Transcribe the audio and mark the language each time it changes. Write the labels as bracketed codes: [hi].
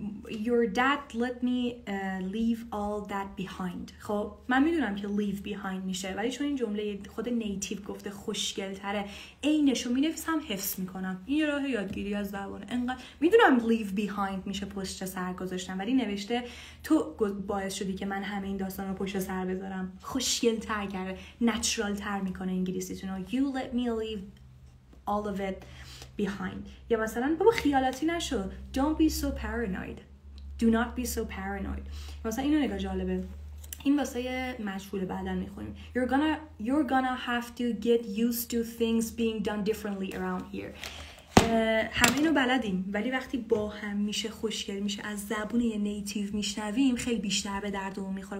[en] Your dad let me leave all that behind. [fa] خب من میدونم که leave behind میشه، ولی چون این جمله خود نیتیو گفته خوشگل‌تره، عینشو می‌نویسم حفظ میکنم. این یه راه یادگیری از زبانه. انقدر میدونم leave behind میشه پشت سر گذاشتم، ولی نوشته تو باعث شدی که من همه این داستان رو پشت سر بذارم. خوشگل‌تر کرده، نچرال‌تر میکنه انگلیسیتون رو. [en] You let me leave all of it behind. [fa] یا مثلا بابا خیالاتی نشو. [en] Don't be so paranoid. Do not be so paranoid. [fa] مثلا اینو نگاه جالبه. این واسه مجهول بعدن میخونیم. [en] You're gonna have to get used to things being done differently around here. [fa] همه اینو بلدیم، ولی وقتی با هم میشه خوشگل میشه، از زبون یه نیتیو میشنویم، خیلی بیشتر به دردمون میخوره.